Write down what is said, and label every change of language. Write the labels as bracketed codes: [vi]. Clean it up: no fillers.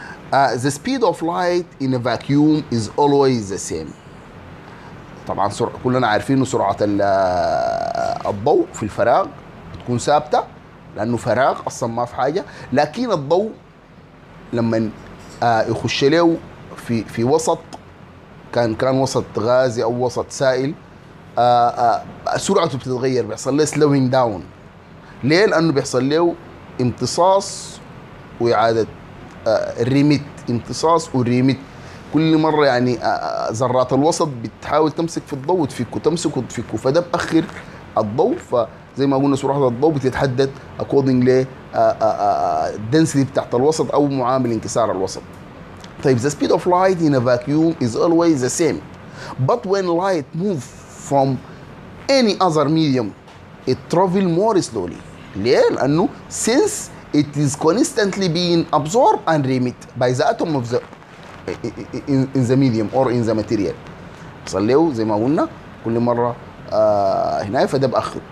[en] The speed of light in a vacuum is always the same. [ar] طبعا كلنا عارفين سرعة الضوء في الفراغ بتكون ثابتة لأنه فراغ أصلا ما في حاجة. لكن الضوء لما يخش له في وسط كان وسط غازي أو وسط سائل سرعته بتتغير, بيحصل له [en] slowing down. [ar] ليه؟ لأنه بيحصل له امتصاص وإعادة ريميت, امتصاص وريميت كل مرة. يعني ذرات الوسط بتحاول تمسك في الضوء وتفكه, تمسك وتفكه, فده بأخر الضوء. فزي ما قلنا سرعة الضوء بتتحدد [en] according to density [ar] بتاعت الوسط أو معامل انكسار الوسط. [en] طيب, the speed of light in a vacuum is always the same, but when light moves from any other medium, it travel more slowly. لأنه since it is constantly being absorbed and remit by the atom of in the medium or in the material. [ar] صليو زي ما قلنا كل مرة هنا فده بأخر.